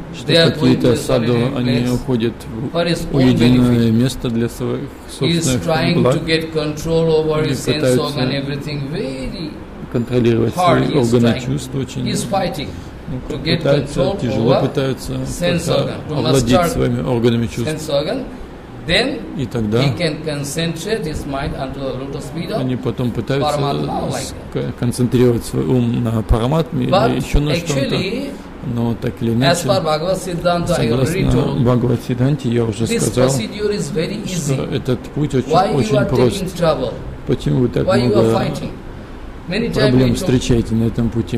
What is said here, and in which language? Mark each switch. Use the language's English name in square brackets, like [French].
[Russian] что какие-то саду, они уходят в уединенное место для своих собственных благ, они пытаются контролировать свои органы чувств, очень пытаются, тяжело пытаются овладеть своими органами чувств. [English] Then [Russian] и тогда [English] he can concentrate his mind onto the lotus feet of [Russian] они потом пытаются концентрировать свой ум на параматме или еще на чем-то. Но так или иначе, согласно Бхагавад-сиддханте, я уже сказал, что этот путь очень прост. Почему вы так много проблем встречаете на этом пути?